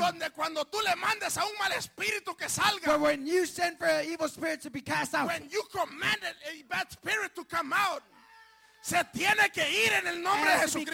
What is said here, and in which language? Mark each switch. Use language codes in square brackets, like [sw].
[es] Donde cuando tú le mandes a un mal espíritu que salga. [en] When you send for an evil spirit to be cast out. When you command a bad spirit to come out. [es] Se tiene que ir en el nombre de Jesucristo.